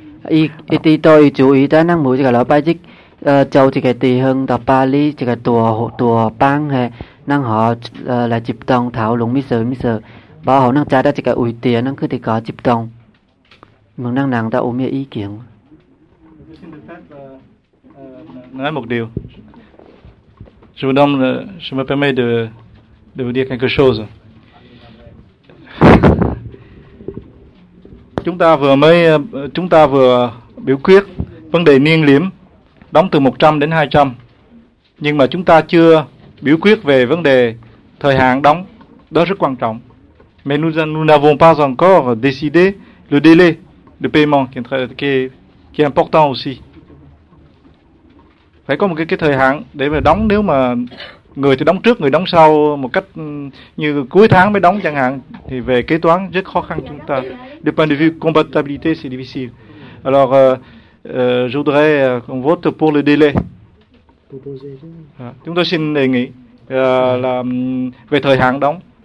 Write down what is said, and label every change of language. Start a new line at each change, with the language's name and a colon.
French: Je me permets de vous dire quelque chose.
Vietnamese: Chúng ta vừa biểu quyết vấn đề niên liệm đóng từ 100 đến 200, nhưng mà chúng ta chưa biểu quyết về vấn đề thời hạn đóng, đó rất quan trọng.
French: Mais nous n'avons pas encore décidé le délai de paiement qui est important aussi.
Vietnamese: Phải có một cái thời hạn để mà đóng, nếu mà người thì đóng trước, người đóng sau, một cách như cuối tháng mới đóng chẳng hạn, thì về kế toán rất khó khăn chúng ta.
French: De point de vue compatibilité, c'est difficile. Alors, je voudrais qu'on vote pour le délai.
Vietnamese: Chúng tôi xin đề nghị là về thời hạn đóng.